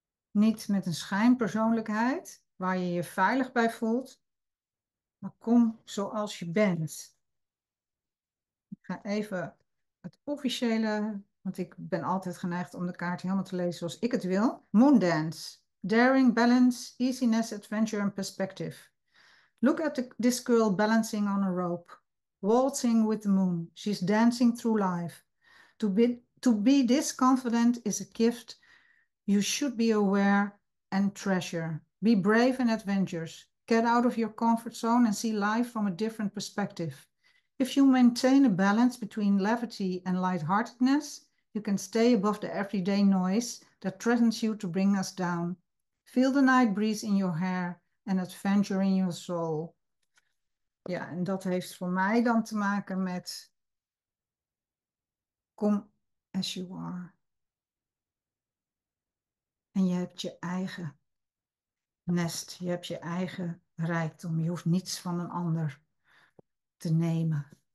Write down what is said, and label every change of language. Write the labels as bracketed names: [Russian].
[Dutch] Niet met een schijnpersoonlijkheid waar je je veilig bij voelt, maar kom zoals je bent. Ik ga even het officiële, want ik ben altijd geneigd om de kaart helemaal te lezen zoals ik het wil. [English] Moondance. Daring, balance, easiness, adventure and perspective. Look at this girl balancing on a rope. Waltzing with the moon. She's dancing through life. To be this confident is a gift. You should be aware and treasure. Be brave and adventurous. Get out of your comfort zone and see life from a different perspective. If you maintain a balance between levity and lightheartedness, you can stay above the everyday noise that threatens you to bring us down. Feel the night breeze in your hair and adventure in your soul. [Dutch] Ja, en dat heeft voor mij dan te maken met [English] come as you are. [Dutch] En je hebt je eigen nest, je hebt je eigen rijkdom. Je hoeft niets van een ander te nemen.